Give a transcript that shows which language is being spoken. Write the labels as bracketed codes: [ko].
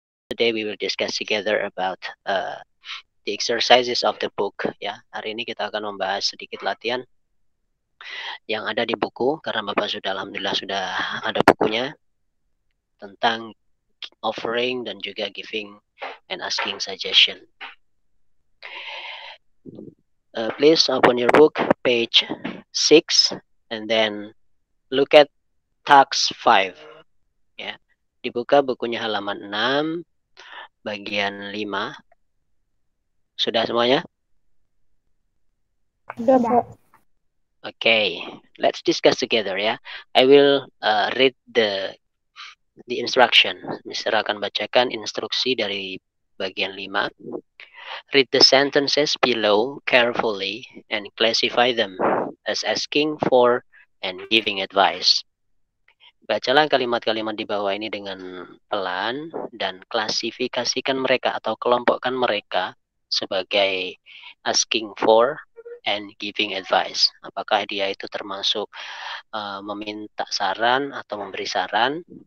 [en] Today we will discuss together about the exercises of the book. [id] Ya, hari ini kita akan membahas sedikit latihan yang ada di buku karena Bapak sudah alhamdulillah sudah ada bukunya tentang offering dan juga [en] giving and asking suggestion. Please open your book page 6 and then look at task 5. [id] Ya, dibuka bukunya halaman 6. Bagian 5. Sudah semuanya? Sudah, Pak. [en] Okay, let's discuss together ya. I will read the instruction. [id] Mister akan bacakan instruksi dari bagian 5. [en] Read the sentences below carefully and classify them as asking for and giving advice. [id] Bacalah kalimat-kalimat di bawah ini dengan pelan dan klasifikasikan mereka atau kelompokkan mereka sebagai [en] asking for and giving advice. [id] Apakah dia itu termasuk meminta saran atau memberi saran?